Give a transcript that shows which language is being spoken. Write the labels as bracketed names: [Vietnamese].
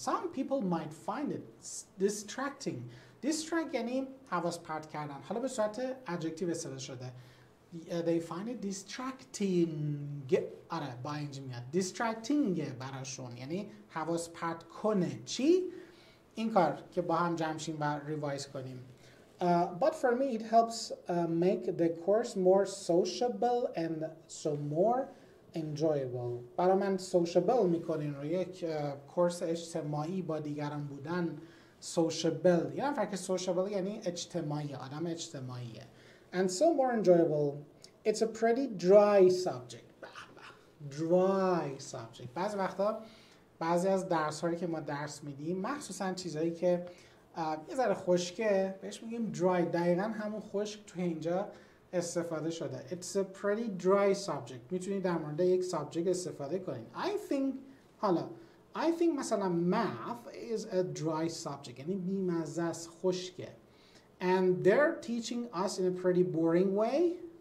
[English] Some people might find it distracting. Distract [Persian] یعنی حواس پرت کردن. حالا به صورت adjective استفاده شده. [English] They find it distracting. [Persian] آره با اینجا میاد. Distracting براشون. یعنی حواس پرت کنه. چی؟ این کار که با هم جمشیم و revise کنیم. [English] But for me, it helps make the course more sociable and so more enjoyable. [Persian] برای من sociable میکنین رو یک کورس اجتماعی با دیگران بودن sociable. یعنی فرق sociable یعنی اجتماعی. آدم اجتماعیه. [English] And so more enjoyable. It's a pretty dry subject. Dry subject. [Persian] بعضی وقتا بعضی از درس‌هایی که ما درس میدیم مخصوصا چیزایی که یه ذره خشکه بهش میگیم dry. دقیقا همون خشک توی اینجا استفاده شده. [English] It's a pretty dry subject. [Persian] میتونید در مورد یک subject استفاده کنید. [English] I think مثلا math is a dry subject. [Persian] یعنی بیمزه است. خشکه. [English] And they're teaching us in a pretty boring way.